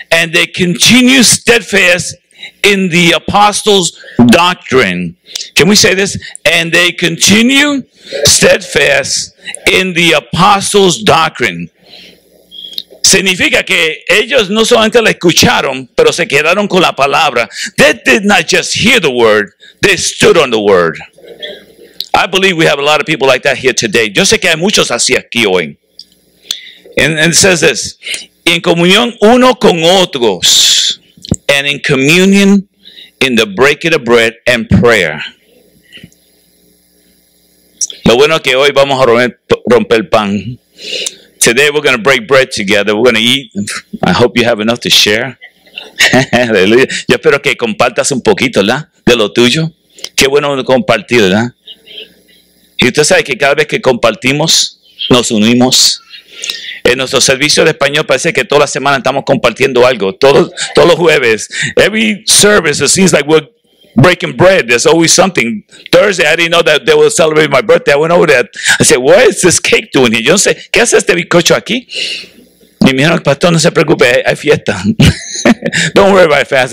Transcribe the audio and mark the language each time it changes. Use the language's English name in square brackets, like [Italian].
[English] And they continue steadfast in the apostles' doctrine. Can we say this? And they continue steadfast in the apostles' doctrine. [Spanish] Significa que ellos no solamente la escucharon, pero se quedaron con la palabra. [English] They did not just hear the word, they stood on the word. I believe we have a lot of people like that here today. [Spanish] Yo sé que hay muchos así aquí hoy. [English] And it says this. [Spanish] En comunión uno con otros, [English] and in communion in the breaking of bread and prayer. [Spanish] Lo bueno que hoy vamos a romper pan. [English] Today we're going to break bread together. We're going to eat. I hope you have enough to share. Aleluya. [Spanish] Yo espero que compartas un poquito, ¿la? De lo tuyo. Qué bueno compartir, ¿la? Y usted sabe que cada vez que compartimos, nos unimos. En nuestro servicio de español parece que toda la semana estamos compartiendo algo. Todos los jueves. [English] Every service, it seems like we're breaking bread. There's always something. Thursday, I didn't know that they were celebrating my birthday. I went over there. I said, what is this cake doing here? [Spanish] Yo no sé, ¿qué hace este bizcocho aquí? Y me dijeron, pastor, no se preocupe, hay fiesta. [English] Don't worry about fast.